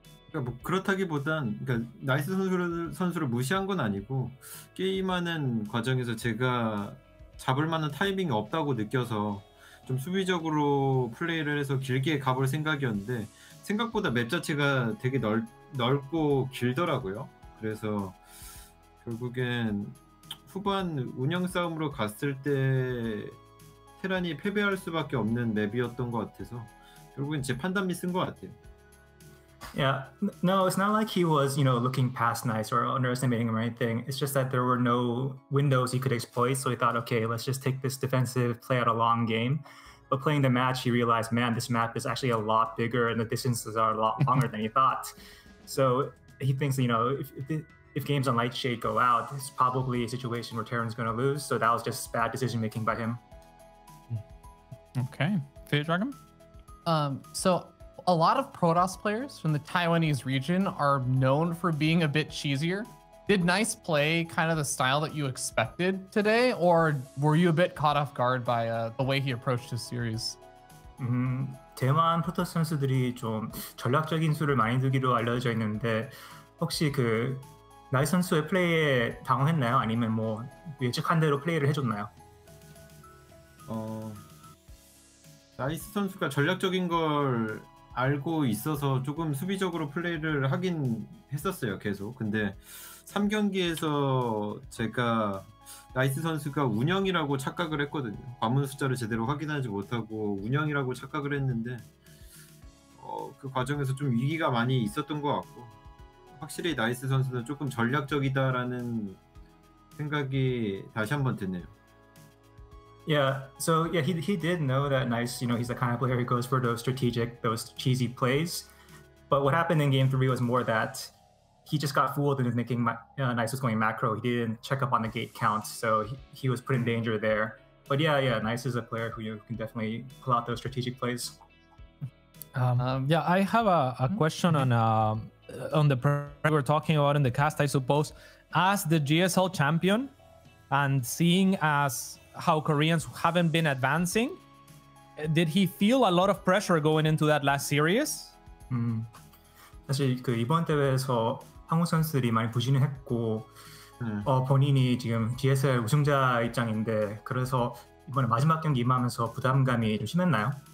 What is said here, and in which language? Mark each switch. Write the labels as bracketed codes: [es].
[ko] 그러니까 뭐 그렇다기보단 그러니까 나이스 선수를 무시한 건 아니고 게임하는 과정에서 제가 잡을 만한 타이밍이 없다고 느껴서 좀 수비적으로 플레이를 해서 길게 가볼 생각이었는데 생각보다 맵 자체가 되게 넓고 길더라고요. 그래서 결국엔 후반 운영 싸움으로 갔을 때 테란이 패배할 수밖에 없는 맵이었던 것 같아서 결국엔 제 판단이 쓴 것 같아요. [en] Yeah, no, it's not like he was, you know, looking past Nice or underestimating him or anything. It's just that there were no windows he could exploit. So he thought, okay, let's just take this defensive, play out a long game. But playing the match, he realized, man, this map is actually a lot bigger and the distances are a lot longer than he thought. So he thinks, you know, if games on Lightshade go out, it's probably a situation where Terran's going to lose. So that was just bad decision making by him. Okay. Fear Dragon? A lot of Protoss players from the Taiwanese region are known for being a bit cheesier. Did Nice play kind of the style that you expected today, or were you a bit caught off guard by the way he approached his series? [ko] 대만 Protoss 선수들이 좀 전략적인 수를 많이 두기로 알려져 있는데 혹시 그 나이 선수의 플레이에 당황했나요? 아니면 뭐 예측한 대로 플레이를 해줬나요? 나이스 선수가 전략적인 걸 알고 있어서 조금 수비적으로 플레이를 하긴 했었어요, 계속. 근데 3경기에서 제가 나이스 선수가 운영이라고 착각을 했거든요. 관문 숫자를 제대로 확인하지 못하고 운영이라고 착각을 했는데 그 과정에서 좀 위기가 많이 있었던 것 같고 확실히 나이스 선수는 조금 전략적이다라는 생각이 다시 한번 드네요. [en] Yeah, so yeah, he did know that Nice, you know, he's the kind of player who goes for those strategic, those cheesy plays. But what happened in game three was more that he just got fooled into thinking Nice was going macro. He didn't check up on the gate count, so he was put in danger there. But yeah, Nice is a player who you can definitely pull out those strategic plays. I have a question on the program we're talking about in the cast, I suppose. As the GSL champion and seeing as how Koreans haven't been advancing, did he feel a lot of pressure going into that last series? [ko] 사실 그 이번 대회에서 한국 선수들이 많이 부진했고 본인이 지금 GSL 우승자 입장인데 그래서 이번에 마지막 경기 임하면서 부담감이 좀 심했나요?